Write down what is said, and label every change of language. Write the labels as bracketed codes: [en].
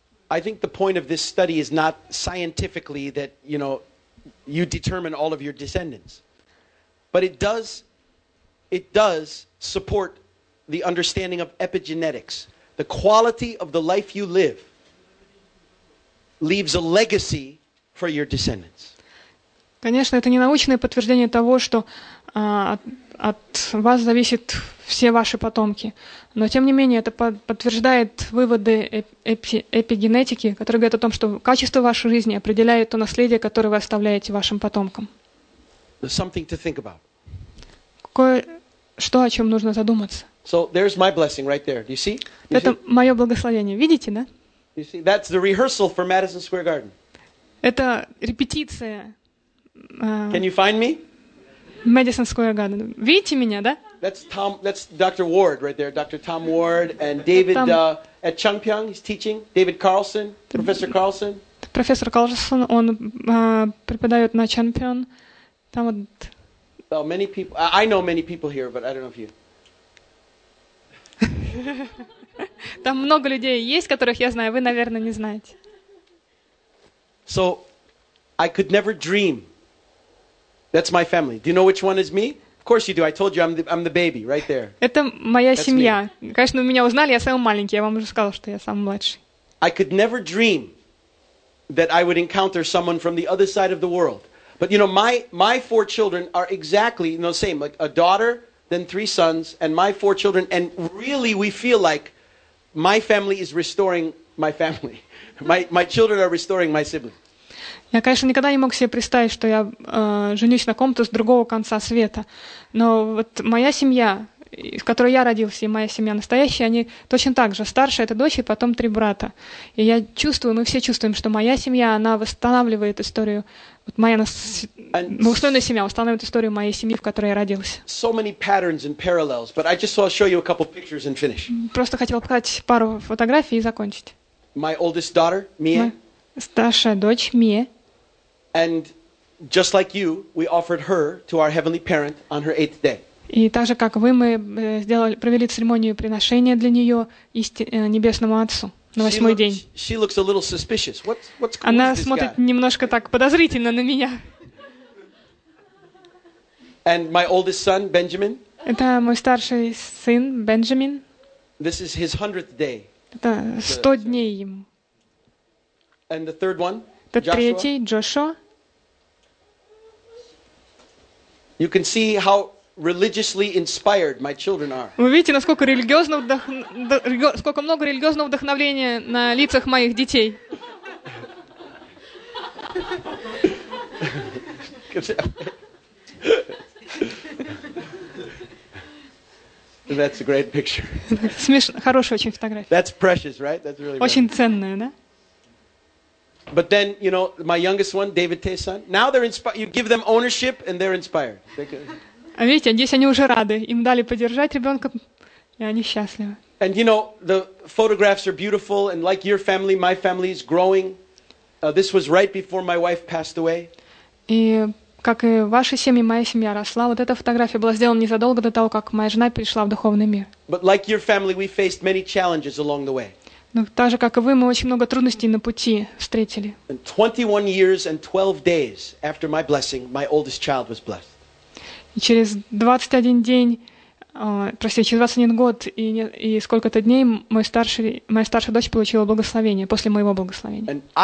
[en] I think the point of this study is not scientifically that, you know, you determine all of your descendants. But it does support the understanding of epigenetics. The quality of the life you live leaves a legacy for your descendants. [ru] Конечно, это не научное подтверждение того, что от вас зависит все ваши потомки. Но, тем не менее, это подтверждает выводы эпигенетики, которые говорят о том, что качество вашей жизни определяет то наследие, которое вы оставляете вашим потомкам. [en] Something to think about. [ru] Кое-что, о чем нужно задуматься. [en] So, there's my blessing right there. Do you see? [ru] Это мое благословение. Видите, да? [en] You see? That's the rehearsal for Madison Square Garden. [ru] Это репетиция. [en] Can you find me? [ru] Madison Square Garden. Видите меня, да? [en] That's Dr. Ward right there. Dr. Tom Ward and David at Chungpyeong. He's teaching. David Carlson, Professor Carlson. [ru] Professor Carlson, он преподает на Chungpyeong. Там вот... [en] Well, many people... I know many people here, but I don't know if you... [ru] Там много людей есть, которых я знаю. Вы, наверное, не знаете. [en] So, I could never dream... That's my family. Do you know which one is me? Of course you do. I told you I'm the baby right there. [ru] Это моя семья. Конечно, меня узнали, я самый маленький. Я вам уже сказала, что я самый младший. [en] I could never dream that I would encounter someone from the other side of the world. But you know, my four children are exactly, you know, same, like a daughter, then 3 sons, and my 4 children, and really we feel like my family is restoring my family. My children are restoring my siblings. [ru] Я, конечно, никогда не мог себе представить, что я женюсь на ком-то с другого конца света. Но вот моя семья, в которой я родился, и моя семья настоящая, они точно так же. Старшая — это дочь, и потом 3 брата. И я чувствую, мы все чувствуем, что моя семья, она восстанавливает историю. Вот моя устойная семья восстанавливает историю моей семьи, в которой я родился. [en] So many patterns and parallels, but I just want to show you a couple pictures and finish. [ru] Просто хотел показать пару фотографий и закончить. [en] My oldest daughter, Mia. [ru] Старшая дочь Мия. [en] And just like you, we offered her to our heavenly parent on her 8th day. [ru] И так же, как вы, мы провели церемонию приношения для нее небесному Отцу на 8-й день. [en] She looks a little suspicious. What's cool? [ru] Она смотрит немножко так подозрительно на меня. [en] And my oldest son, Benjamin. [ru] Это мой старший сын Бенджамин. [en] This is his 100th day. [ru] Это 100 дней ему. [en] And the third one, the [ru] третий, Joshua. [en] You can see how religiously inspired my children are. [ru] Вы видите, насколько религиозно сколько много религиозного вдохновения на лицах моих детей. [en] That's a great picture. [ru] Смешно, хорошая очень фотография. [en] That's precious, right? That's really [ru] очень ценная, да? [en] But then, you know, my youngest one, David Tae-san, now they're inspired. You give them ownership and they're inspired. [ru] А видите, здесь они уже рады. Им дали подержать ребенка, и они счастливы. [en] And you know, the photographs are beautiful, and like your family, my family is growing. This was right before my wife passed away. [ru] И как и ваша семья, моя семья росла. Вот эта фотография была сделана незадолго до того, как моя жена перешла в духовный мир. [en] But like your family, we faced many challenges along the way. [ru] Ну, так же, как и вы, мы очень много трудностей на пути встретили. [en] 21 years and 12 days after my blessing, my oldest child was blessed. [ru] И через 21 день Простите, 21 год и сколько-то дней моя старшая дочь получила благословение после моего благословения.